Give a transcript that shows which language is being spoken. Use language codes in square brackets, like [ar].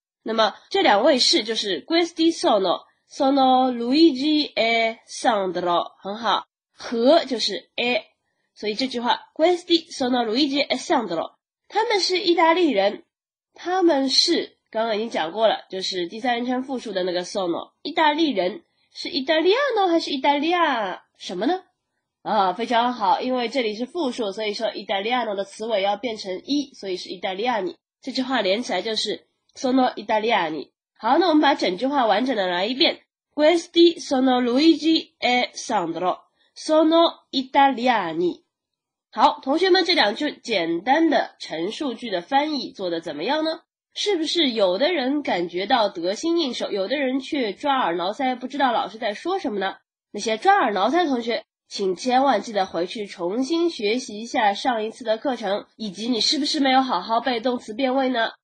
[zh] 那么这两位是就是 [it] questi sono， sono Luigi e Sandro， [zh] 很好，和就是 e， 所以这句话 [it] questi sono Luigi e Sandro， [zh] 他们是意大利人，他们是刚刚已经讲过了，就是第三人称复数的那个 sono， 意大利人是 italiano 还是 italia 什么呢？啊，非常好，因为这里是复数，所以说 Italiano 的词尾要变成 e， 所以是 Italiani， 这句话连起来就是 [it] Sono Italiani。 [zh] 好，那我们把整句话完整的来一遍。 [it] Questi sono Luigi e Sandro, sono Italiani。 [zh] 好，同学们这两句简单的陈述句的翻译做得怎么样呢？是不是有的人感觉到得心应手，有的人却抓耳挠腮不知道老师在说什么呢？那些抓耳挠腮的同学请千万记得回去重新学习一下上一次的课程，以及你是不是没有好好背动词变位呢？